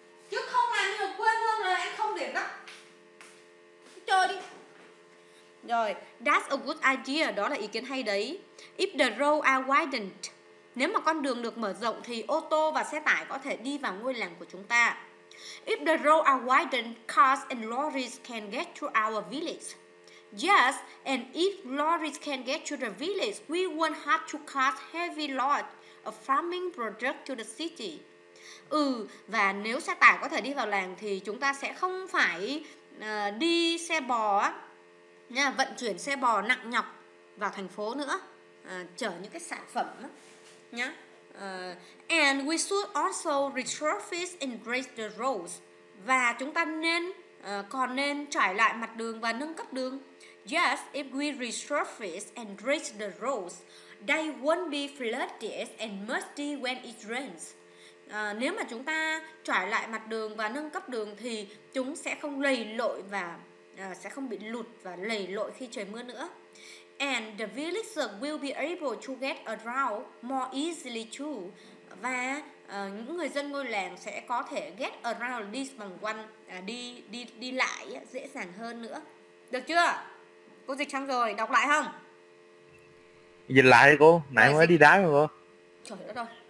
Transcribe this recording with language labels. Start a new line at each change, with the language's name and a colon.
Vietnamese: Chứ không làm như mà quên luôn rồi, anh không để đó. Chơi đi. Rồi,
English: that's a good idea,
Vietnamese: đó là ý kiến hay đấy.
English: If the roads are widened,
Vietnamese: nếu mà con đường được mở rộng thì ô tô và xe tải có thể đi vào ngôi làng của chúng ta.
English: If the roads are widened, cars and lorries can get to our village. Yes, and if lorries can get to the village, we won't have to cart heavy loads of farming products to the city.
Vietnamese: Ừ, và nếu xe tải có thể đi vào làng thì chúng ta sẽ không phải đi xe bò á. Nha, vận chuyển xe bò nặng nhọc vào thành phố nữa, chở những cái sản phẩm đó. Nha.
English: And we should also resurface and raise the roads.
Vietnamese: Và chúng ta nên còn nên trải lại mặt đường và nâng cấp đường.
English: Yes, if we resurface and raise the roads, they won't be flooded and musty when it rains.
Vietnamese: Nếu mà chúng ta trải lại mặt đường và nâng cấp đường thì chúng sẽ không lầy lội và sẽ không bị lụt và lầy lội khi trời mưa nữa.
English: And the villagers will be able to get around more easily too.
Vietnamese: Và những người dân ngôi làng sẽ có thể
English: get around,
Vietnamese: đi vòng quanh, đi lại dễ dàng hơn nữa. Được chưa? Cô dịch xong rồi, đọc lại không? Dịch lại cô, nãy mới đi đá rồi cô. Trời đất ơi.